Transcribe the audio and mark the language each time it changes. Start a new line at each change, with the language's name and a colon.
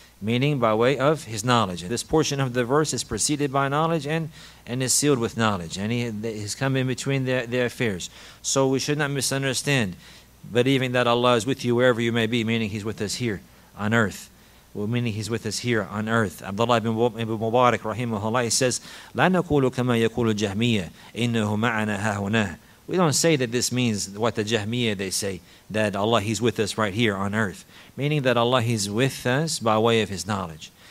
English: This portion of the verse is preceded by knowledge and is sealed with knowledge. And he has come in between their affairs. So we should not misunderstand, believing that Allah is with you wherever you may be, meaning he's with us here on earth. Well, meaning he's with us here on earth. Abdullah ibn Mubarak, rahimahullah, says,
Arabic: لَا نَقُولُ كَمَا يَقُولُ الْجَهْمِيَّةِ إِنَّهُ مَعَنَا هَهُنَا.
English: We don't say that this means what the Jahmiyyah, they say, that Allah, he's with us right here on earth. Meaning that Allah, he's with us by way of his knowledge.